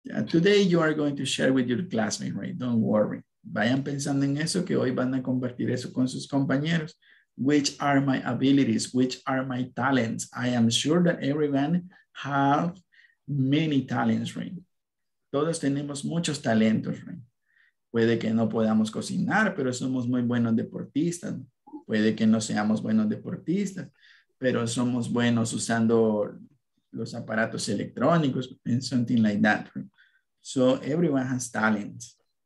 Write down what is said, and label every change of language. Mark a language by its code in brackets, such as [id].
[en] Today you are going to share with your classmates, right? Don't worry. [es] Vayan pensando en eso, que hoy van a compartir eso con sus compañeros. [en] Which are my abilities? Which are my talents? I am sure that everyone have many talents, right? [es] Todos tenemos muchos talentos, right? Puede que no podamos cocinar, pero somos muy buenos deportistas. Puede que no seamos buenos deportistas, pero somos buenos usando los aparatos electrónicos, [en] and something like that. So everyone has talents.